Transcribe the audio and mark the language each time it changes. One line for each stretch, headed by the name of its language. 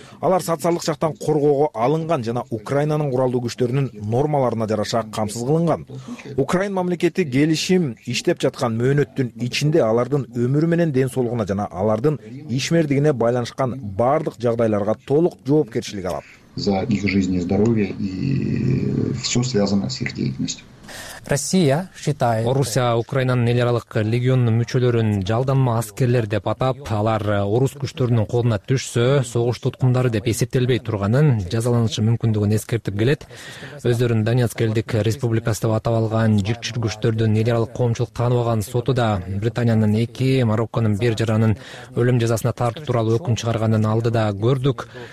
Kyrgyz: Алар социалдык жактан коргоого алынган жана Украинанын куралдуу күчтөрүнүн нормаларына жараша камсыз кылынган. Украин мамлекети келишим иштеп жаткан мөөнөттүн ичинде алардын өмүрү менен ден соолугуна жана алардын ишмердигине байланышкан баардык жагдайларга толук жоопкерчилик алат.
Russian: За их жизнь и здоровье и все связано с их деятельностью. Россия считает.
Kyrgyz: Орусия Украинанын эл аралык легионунун мүчөлөрүн жалданма аскерлер деп атап, алар орус күчтөрүнүн колуна түшсө, согуш туткундары деп эсептелбей турганын жазаланышы мүмкүндүгүн эскертип келет. Өздөрүн Донецк элдик республикасы деп атап алган жүкчү күчтөрдүн эл аралык коомчулук тааныбаган соту да Британиянын 2, Марокконун 1 жаранын өлүм жазасына тартуу тууралуу өкүм чыгарганын алдыда көрдүк.